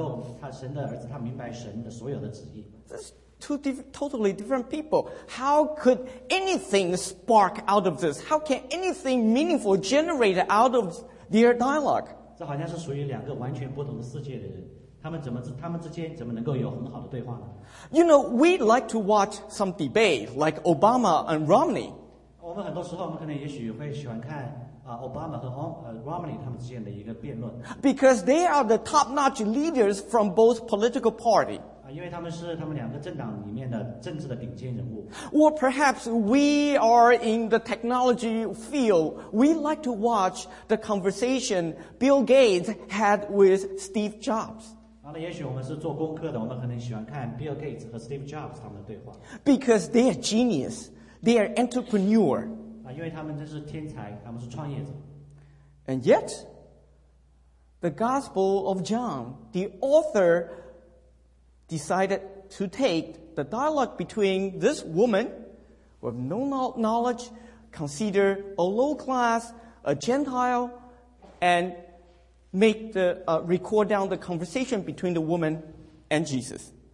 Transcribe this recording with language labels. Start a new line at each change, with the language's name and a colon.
Chinese: 一方面是撒玛利亚的妇人，她是被犹太人看不起的外族人，她也是一个有道德问题的人。但是对话的另外一方面是主耶稣基督，他是神的儿子，他神的儿子，他明白神的所有的旨意。This
English: is two totally different people. How could anything spark out of this? How can anything meaningful generate out of their dialogue?
Chinese: 这好像是属于两个完全不同的世界的人。他们之间怎么能够有很好的对话呢?
English: You know, we like to watch some debate, like Obama and Romney.
Chinese: 我们很多时候我们可能也许会喜欢看 Obama 和 Romney 他们之间的一个辩论。
English: Because they are the top-notch leaders from both political party.
Chinese: 因为他们是他们两个政党里面的政治的顶尖人物。
English: Or perhaps we are in the technology field. We like to watch the conversation Bill Gates had with Steve Jobs.
Chinese: 那也许我们是做功课的，我们可能喜欢看Bill Gates和Steve
English: Jobs
Chinese: 他们的对话。
English: Because they are genius, they are entrepreneur.
Chinese: 因为他们真是天才，他们是创业者。And
English: yet, the Gospel of John, the author decided to take the dialogue between this woman, who have no knowledge, considered a low class, a Gentile, and make the record down the conversation between the woman and Jesus.